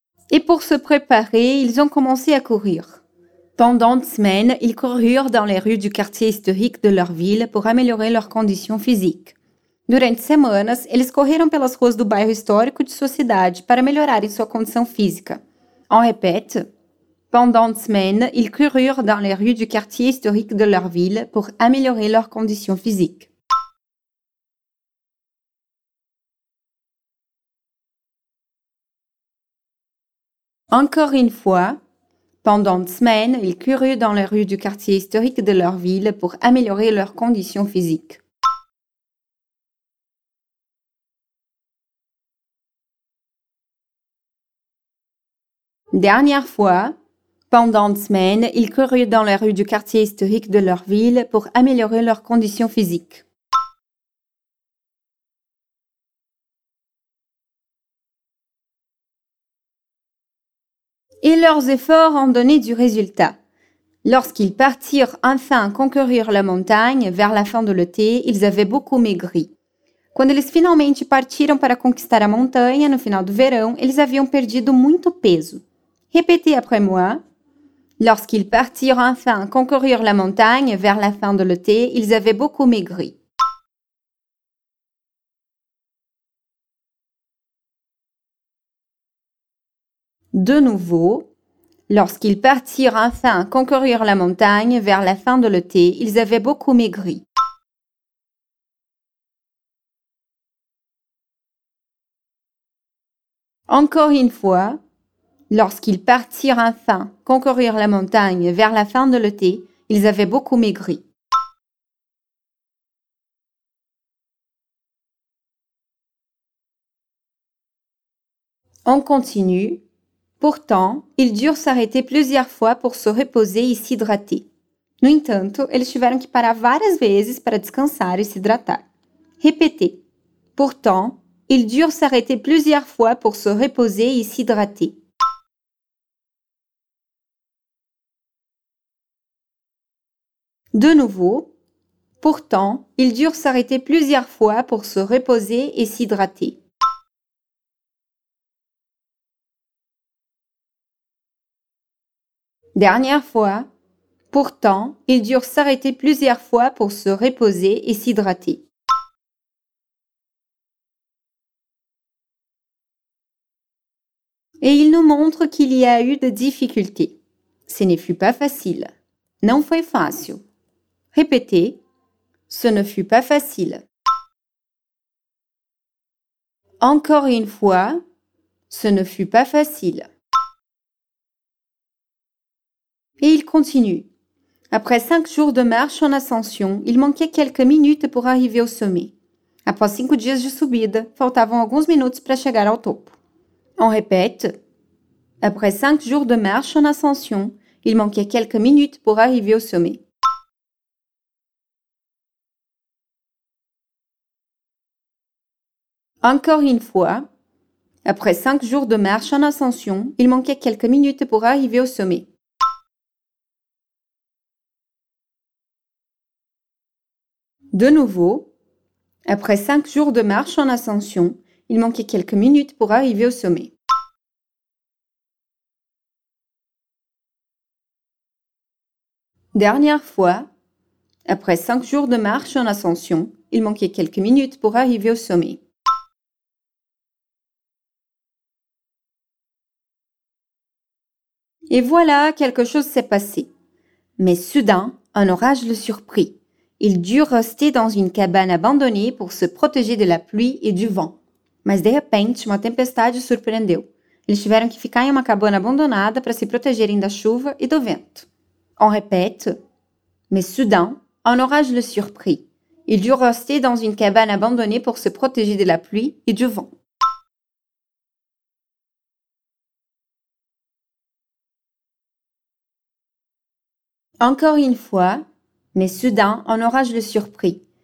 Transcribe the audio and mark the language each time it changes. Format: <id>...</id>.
<fr>Et pour se préparer, ils ont commencé à courir. Pendant des semaines, ils coururent dans les rues du quartier historique de leur ville pour améliorer leurs conditions physiques.</fr> <pt>Durante semanas, eles correram pelas ruas do bairro histórico de sua cidade para melhorar sua condição física.</pt> <fr>On répète. Pendant des semaines, ils coururent dans les rues du quartier historique de leur ville pour améliorer leurs conditions physiques. Encore une fois, pendant des semaines, ils coururent dans les rues du quartier historique de leur ville pour améliorer leurs conditions physiques. Dernière fois, pendant des semaines, ils coururent dans les rues du quartier historique de leur ville pour améliorer leurs conditions physiques. Et leurs efforts ont donné du résultat. Lorsqu'ils partirent enfin conquérir la montagne, vers la fin de l'été, ils avaient beaucoup maigri.</fr> <pt>Quando eles finalmente partiram para conquistar a montanha, no final do verão, eles haviam perdido muito peso.</pt> <fr>Répétez après moi. Lorsqu'ils partirent enfin conquérir la montagne, vers la fin de l'été, ils avaient beaucoup maigri. De nouveau, lorsqu'ils partirent enfin conquérir la montagne vers la fin de l'été, ils avaient beaucoup maigri. Encore une fois, lorsqu'ils partirent enfin conquérir la montagne vers la fin de l'été, ils avaient beaucoup maigri. On continue. Pourtant, ils durent s'arrêter plusieurs fois pour se reposer et s'hydrater.</fr> <pt>No entanto, eles tiveram que parar várias vezes para descansar e se hidratar.</pt> <fr>Répétez. Pourtant, ils durent s'arrêter plusieurs fois pour se reposer et s'hydrater. De nouveau. Pourtant, ils durent s'arrêter plusieurs fois pour se reposer et s'hydrater. Dernière fois, pourtant, ils durent s'arrêter plusieurs fois pour se reposer et s'hydrater. Et il nous montre qu'il y a eu des difficultés. Ce ne fut pas facile.</fr> <pt>Non foi fácil.</pt> <fr>Répétez. Ce ne fut pas facile. Encore une fois, ce ne fut pas facile. Et il continue. Après 5 jours de marche en ascension, il manquait quelques minutes pour arriver au sommet. Après</fr> <pt>5 dias de subida, faltavam alguns minutos para chegar ao topo.</pt> <fr>On répète. Après 5 jours de marche en ascension, il manquait quelques minutes pour arriver au sommet. Encore une fois, après 5 jours de marche en ascension, il manquait quelques minutes pour arriver au sommet. De nouveau, après 5 jours de marche en ascension, il manquait quelques minutes pour arriver au sommet. Dernière fois, après 5 jours de marche en ascension, il manquait quelques minutes pour arriver au sommet. Et voilà, quelque chose s'est passé. Mais soudain, un orage le surprit. Il dut rester dans une cabane abandonnée pour se protéger de la pluie et du vent.</fr> <pt>Mas de repente, uma tempestade surpreendeu. Eles tiveram que ficar em uma cabana abandonada para se protegerem da chuva e do vento.</pt> <fr>On répète. Mais soudain, un orage le surprit. Il dut rester dans une cabane abandonnée pour se protéger de la pluie et du vent. Encore une fois, mais soudain, un orage le surprit.</fr>